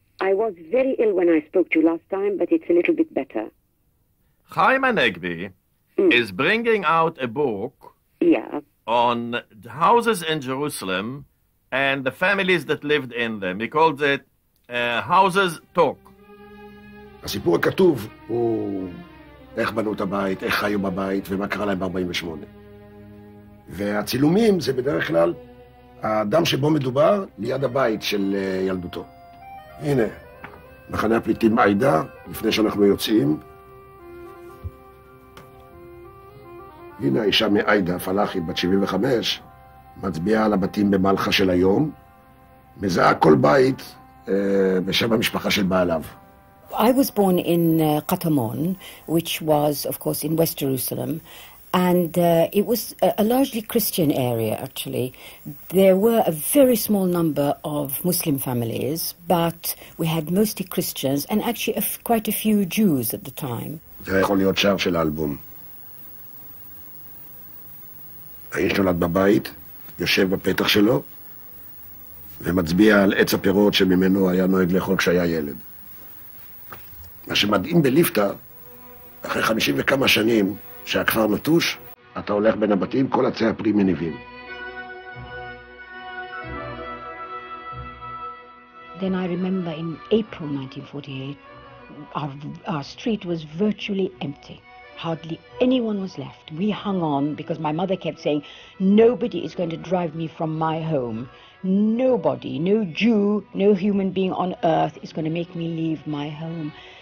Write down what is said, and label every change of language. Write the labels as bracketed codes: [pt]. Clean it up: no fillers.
[en] I was very ill when I spoke to you last time, but it's a little bit better. Chaim Hanegbi is bringing out a book on houses in Jerusalem and the families that lived in them. He calls it Houses Talk. [he] הסיפור הכתוב הוא איך בנו את הבית, איך חיו בבית ומה קרה להם ב-48. והצילומים זה בדרך כלל האדם שבו מדובר ליד הבית של ילדותו. הנה, מחנה הפליטים עידה, לפני שאנחנו יוצאים. הנה האישה מעידה, פלאחי, בת 75, מצביעה על הבתים במלחה של היום, מזהה כל בית בשם המשפחה של בעליו. [en] I was born in Katamon, which was, of course, in West Jerusalem, and it was a largely Christian area, actually. There were a very small number of Muslim families, but we had mostly Christians, and actually quite a few Jews at the time. This is the song of the album. The man was born in the house, sitting in the door, and he was talking about the fruit that he was going to eat when he was a child. [he] מה שמדהים בליפטה, אחרי 50 וכמה שנים שהכפר נטוש, אתה הולך בין הבתים, כל עצי הפרי מניבים. [en] then I remember in April 1948, our street was virtually empty. Hardly anyone was left. We hung on because my mother kept saying, nobody is going to drive me from my home. Nobody, no Jew, no human being on earth is going to make me leave my home.